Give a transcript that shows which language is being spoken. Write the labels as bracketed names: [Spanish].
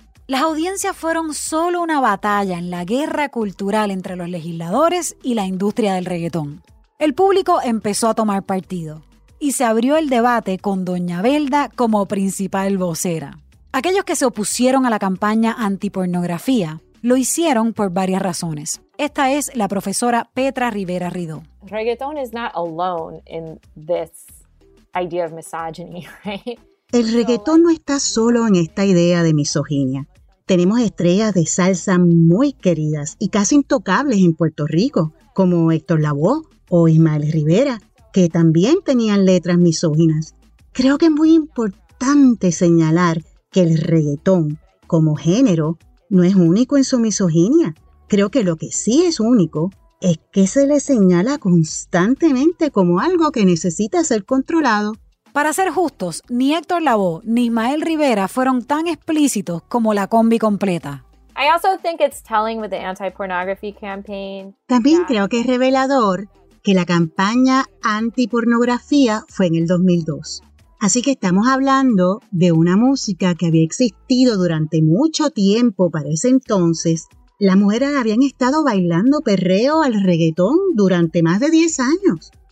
[Spanish] Las audiencias fueron solo una batalla en la guerra cultural entre los legisladores y la industria del reggaetón. El público empezó a tomar partido y se abrió el debate con Doña Velda como principal vocera. Aquellos que se opusieron a la campaña antipornografía lo hicieron por varias razones. Esta es la profesora Petra Rivera Ridó. [English] Reggaeton is not alone in this idea of misogyny, right? [Spanish] El reggaetón no está solo en esta idea de misoginia. Tenemos estrellas de salsa muy queridas y casi intocables en Puerto Rico, como Héctor Lavoe o Ismael Rivera, que también tenían letras misóginas. Creo que es muy importante señalar que el reggaetón, como género, no es único en su misoginia. Creo que lo que sí es único es que se le señala constantemente como algo que necesita ser controlado. Para ser justos, ni Héctor Lavoe ni Ismael Rivera fueron tan explícitos como la combi completa. [English] I also think it's telling with the anti-pornography campaign. [Spanish] También creo que es revelador que la campaña antipornografía fue en el 2002. Así que estamos hablando de una música que había existido durante mucho tiempo para ese entonces. Las mujeres habían estado bailando perreo al reggaetón durante más de 10 años.